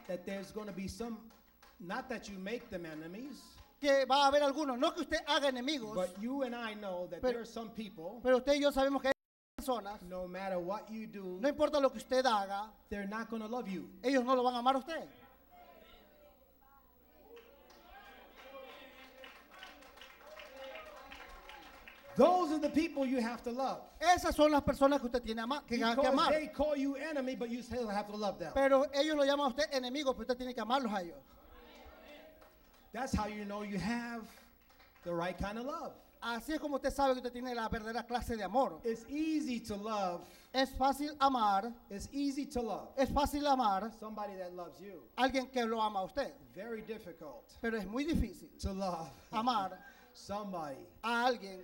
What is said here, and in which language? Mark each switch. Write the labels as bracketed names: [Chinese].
[English] that there's going to be some, not that you make them enemies, [Spanish] que va a haber algunos, no que usted haga enemigos, [English] but you and I know that there are some people, [Spanish] pero usted y yo sabemos que hay personas, [English] no matter what you do, [Spanish] no importa lo que usted haga, [English] they're not going to love you. [Spanish] Ellos no lo van a amar a usted. [English] Those are the people you have to love. [Spanish] Esas son las personas que usted tiene que amar. [English] Because they call you enemy, but you still have to love them. [Spanish] Pero ellos lo llaman a usted enemigo, pero usted tiene que amarlos a ellos. [English] That's how you know you have the right kind of love. [Spanish] Así es como usted sabe que usted tiene la verdadera clase de amor. [English] It's easy to love. [Spanish] Es fácil amar. [English] It's easy to love. [Spanish] Es fácil amar. [English] Somebody that loves you. [Spanish] Alguien que lo ama a usted. [English] Very difficult. [Spanish] Pero es muy difícil. [English] To love. [Spanish] Amar. [English] Somebody. [Spanish] A alguien.